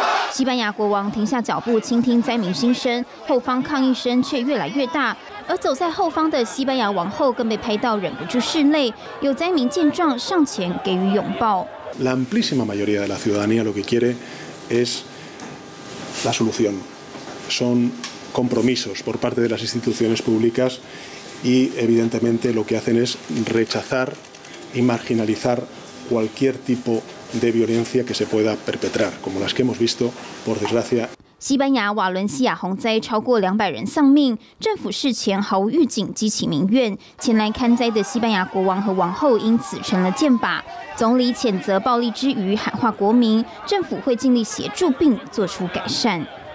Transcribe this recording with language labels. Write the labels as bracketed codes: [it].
[zh] 西班牙国王停下脚步倾听灾民心声，后方抗议声却越来越大，而走在后方的西班牙王后更被拍到忍不住拭泪，有灾民见状上前给予拥抱。 [es] La amplísima mayoría de la ciudadanía lo que quiere es la solución. Son compromisos por parte de las instituciones públicas y evidentemente lo que hacen es rechazar y marginalizar cualquier tipo de violencia que se pueda perpetrar, como las que hemos visto, por desgracia. [zh] 西班牙瓦伦西亚洪灾超过200人丧命，政府事前毫无预警，激起民怨。前来看灾的西班牙国王和王后因此成了箭靶。总理谴责暴力之余，喊话国民，政府会尽力协助并做出改善。